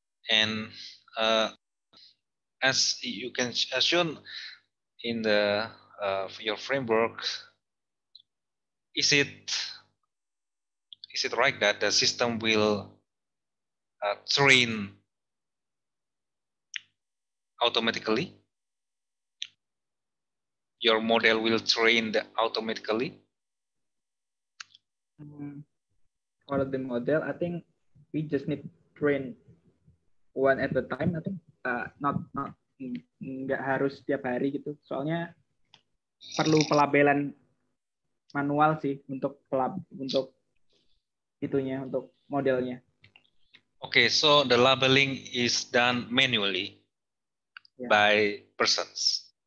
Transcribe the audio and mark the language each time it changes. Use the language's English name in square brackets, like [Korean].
[English] And as you can assume in the your framework, is it right that the system will train automatically? Your model will train the automatically? For the model, I think we just need train one at a time. I think not [Indonesian] nggak harus setiap hari gitu. Soalnya perlu pelabelan manual sih untuk untuk itunya, untuk modelnya. [English] Okay, so the labeling is done manually by persons.